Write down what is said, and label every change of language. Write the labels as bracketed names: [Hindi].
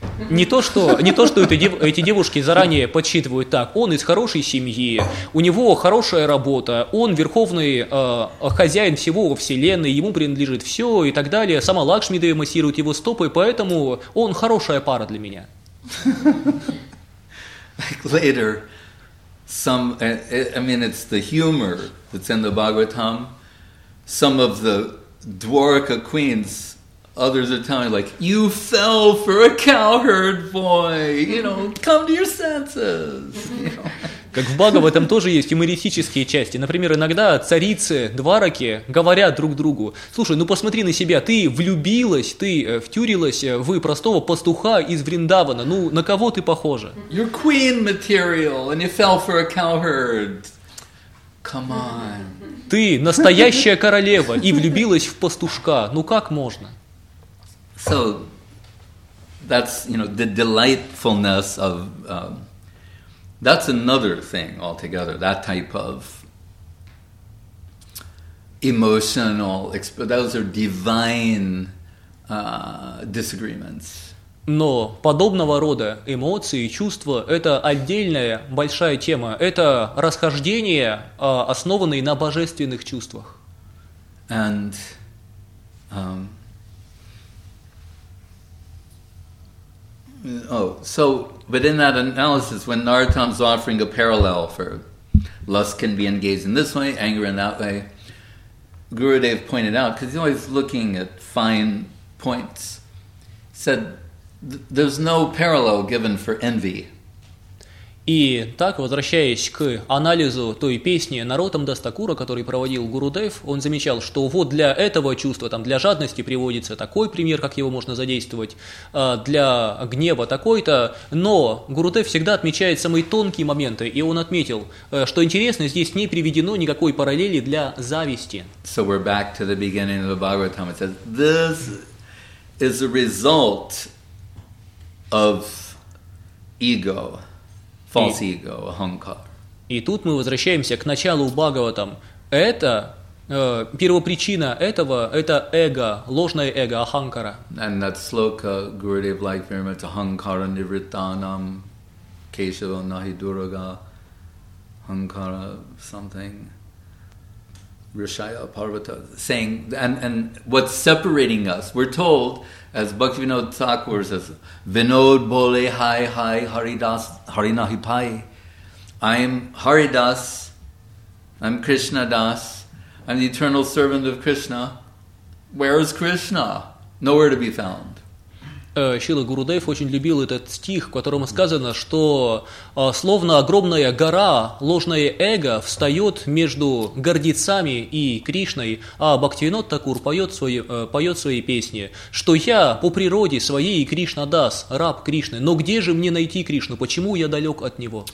[Russian] Не то, что эти девушки заранее подсчитывают так. Он из хорошей семьи, у него хорошая работа, он верховный хозяин всего во Вселенной, ему принадлежит все и так далее. Сама Лакшми Деви массирует его стопы, поэтому он хорошая пара для меня. [English] Later, it's the humor that's in the Bhagavatam. Some of the Dwarka queens, others are telling me, like, you fell for a cowherd boy, you know, come to your senses. [Russian] Как в Бхагаватам тоже есть юмористические части. Например, иногда царицы, двараки говорят друг другу, слушай, ну посмотри на себя, ты влюбилась, ты втюрилась в простого пастуха из Вриндавана, ну на кого ты похожа? [English] You're queen material, and you fell for a cowherd. Come on. [Russian] Ты настоящая королева и влюбилась в пастушка, ну как можно? [English] So that's, you know, the delightfulness of that's another thing altogether, that type of emotional those are divine disagreements. [Russian] Но подобного рода эмоции, чувства – это отдельная большая тема. Это расхождение, основанное на божественных чувствах. [English] And but in that analysis, when Narottam's offering a parallel for lust can be engaged in this way, anger in that way, Gurudev pointed out, because he's always looking at fine points, said, there's no parallel given for envy. [Russian] И так, возвращаясь к анализу той песни Наротам Дастакура, который проводил Гурудев, он замечал, что вот для этого чувства, там, для жадности приводится такой пример, как его можно задействовать, для гнева такой-то, но Гурудев всегда отмечает самые тонкие моменты, и он отметил, что интересно, здесь не приведено никакой параллели для зависти. [English] So we're back to the beginning of the Bhagavatam. It says, this is a result of ego. False ego, ahankar. [Russian] И тут мы возвращаемся к началу Бхагаватам. Это первопричина этого, это эго, ложное эго, аханкара. [English] And that sloka Gurudev liked very much, [Sanskrit] ahankara nivrittanam keshava nahi duraga ahankara something rishaya parvata [English] saying, and what's separating us, we're told, as Bhaktivinoda Thakur says, [Bangla] Vinod bole hai hai Haridas Harinahi pai. [English] I'm Haridas, I'm Krishna Das, I'm the eternal servant of Krishna. Where is Krishna? Nowhere to be found. [Russian] Шрила Гурудев очень любил этот стих, в котором сказано, что словно огромная гора, ложное эго встает между гордецами и Кришной, а Бхактивинод Такур поет свои песни, что я по природе своей Кришна Дас, раб Кришны, но где же мне найти Кришну, почему я далек от Него?